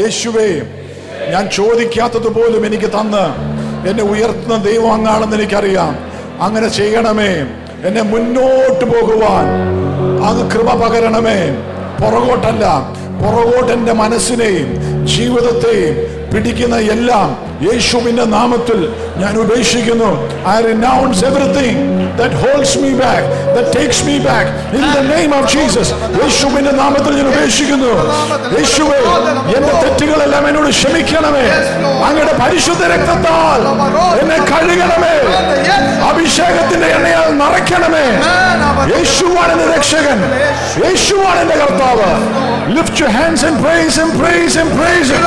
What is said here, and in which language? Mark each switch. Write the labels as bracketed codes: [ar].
[ml] യേശുവേ, ഞാൻ ചോദിക്കാത്തതുപോലും എനിക്ക് തന്ന് എന്നെ ഉയർത്തുന്ന ദൈവം അങ്ങാണെന്ന് എനിക്കറിയാം. അങ്ങനെ ചെയ്യണമേ, എന്നെ മുന്നോട്ട് പോകുവാൻ അങ്ങ് കൃപ പകരണമേ. പുറകോട്ടല്ല, പുറകോട്ട് എൻ്റെ മനസ്സിനെയും ജീവിതത്തെയും പിടിക്കുന്ന എല്ലാം യേശുവിന്റെ നാമത്തിൽ ഞാൻ ഉപേക്ഷിക്കുന്നു. [en] I renounce everything that holds me back, that takes me back. In the name of Jesus, [ml] യേശുവിന്റെ നാമത്തിൽ ഞാൻ ഉപേക്ഷിക്കുന്നു. യേശുവേ, എന്റെ തെറ്റുകളെല്ലാം എന്നോട് ക്ഷമിക്കണമേ. അങ്ങയുടെ പരിശുദ്ധ രക്തത്താൽ എന്നെ കഴുകണമേ. അഭിഷേകത്തിന്റെ എണ്ണയാൽ നിറയ്ക്കണമേ. യേശുവാണ് എന്റെ രക്ഷകൻ, യേശുവാണ് എന്റെ കർത്താവ്. [en] Lift your hands and praise him, praise him, praise him.